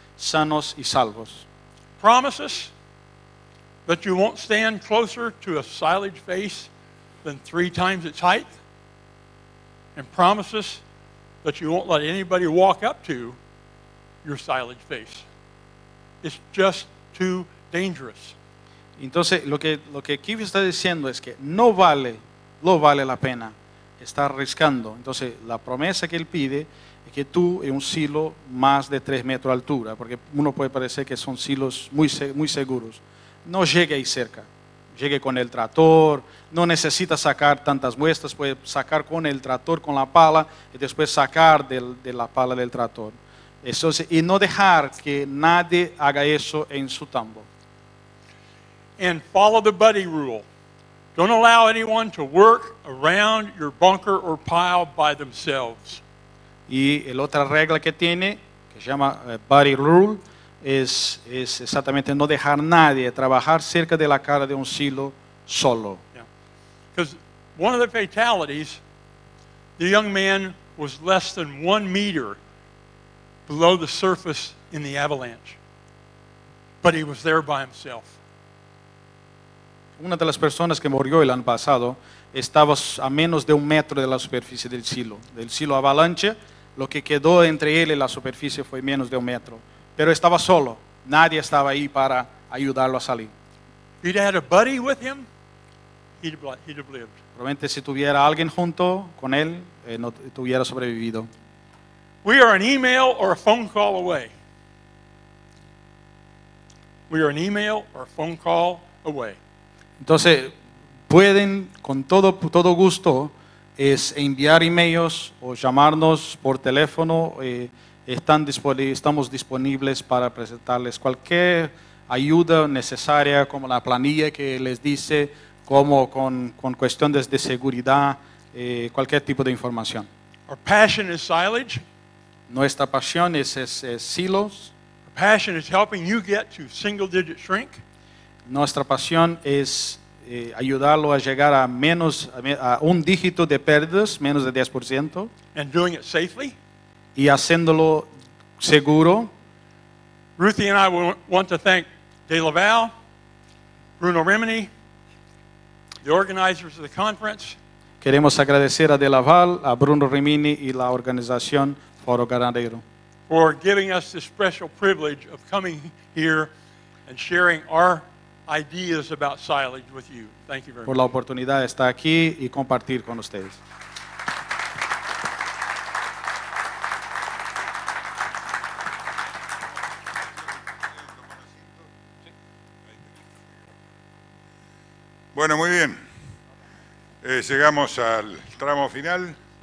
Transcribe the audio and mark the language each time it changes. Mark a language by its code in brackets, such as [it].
[es] sanos y salvos. [en] Promises that you won't stand closer to a silage face than three times its height, and promises that you won't let anybody walk up to your silage face. It's just too dangerous. [es] Entonces, lo que Keith está diciendo es que no vale la pena estar arriesgando. Entonces, la promesa que él pide es que tú en un silo más de 3 metros de altura, porque uno puede parecer que son silos muy, muy seguros, no llegue ahí cerca. Llegue con el tractor, no necesita sacar tantas muestras, puede sacar con el tractor, con la pala, y después sacar de la pala del tractor. Eso es, y no dejar que nadie haga eso en su tambo. [en] And follow the buddy rule. Don't allow anyone to work around your bunker or pile by themselves. [es] Y la otra regla que tiene, que se llama buddy rule, es exactamente no dejar nadie trabajar cerca de la cara de un silo solo. [en] Because one of the fatalities, the young man was less than 1 meter below the surface in the avalanche. But he was there by himself. [es] Una de las personas que murió el año pasado estaba a menos de 1 metro de la superficie del silo avalanche. Lo que quedó entre él y la superficie fue menos de 1 metro, pero estaba solo, nadie estaba ahí para ayudarlo a salir. [en] He'd had a buddy with him, he'd have lived. [es] Probablemente si tuviera alguien junto con él, no tuviera sobrevivido. [en] We are an email or a phone call away. We are an email or a phone call away. [es] Entonces, pueden con todo gusto es enviar emails o llamarnos por teléfono. Estamos disponibles para presentarles cualquier ayuda necesaria, como la planilla que les dice, como con cuestiones de seguridad, cualquier tipo de información. [en] Our passion is silage. [es] Nuestra pasión es silos. [en] Our passion is helping you get to single digit shrink. [es] Nuestra pasión es ayudarlo a llegar a menos a un dígito de pérdidas, menos de 10%. [en] And doing it safely. [es] Y haciéndolo seguro. [en] Ruthie and I want to thank De Laval, Bruno Remini, the organizers of the conference. [es] Queremos agradecer a De Laval, a Bruno Remini y la organización Foro Ganadero. [en] For giving us this special privilege of coming here and sharing our ideas about silage with you. Thank you very much. [es] Por la oportunidad de estar aquí y compartir con ustedes. Bueno, muy bien. Llegamos al tramo final.